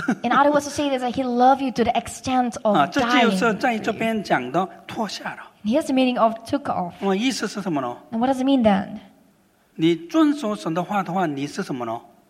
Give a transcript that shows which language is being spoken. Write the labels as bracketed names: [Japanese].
[English] In other words, to say that he loved you to the extent of dying. [Chinese] 这就是在这边讲的脱下了。 [English] Here's the meaning of took off. [Chinese] 意思是什么呢? [English] And what does it mean then? [Chinese] 你遵守神的话的话,你是什么呢?